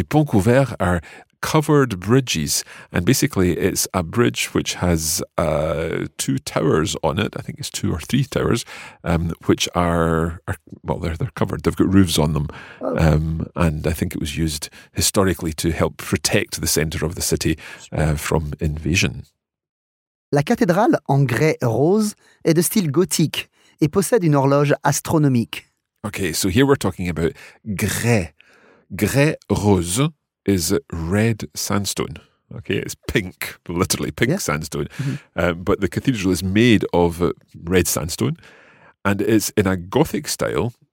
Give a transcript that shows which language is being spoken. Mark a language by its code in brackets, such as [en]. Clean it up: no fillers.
[fr] Les ponts couverts [en] are covered bridges, and basically it's a bridge which has two towers on it. I think it's two or three towers, which are covered. They've got roofs on them, and I think it was used historically to help protect the center of the city from invasion. [fr] La cathédrale en grès rose est de style gothique et possède une horloge astronomique. [en] Okay, so here we're talking about grès rose. Is red sandstone. Okay, it's pink, literally pink sandstone. Mm-hmm. But the cathedral is made of red sandstone and it's in a Gothic style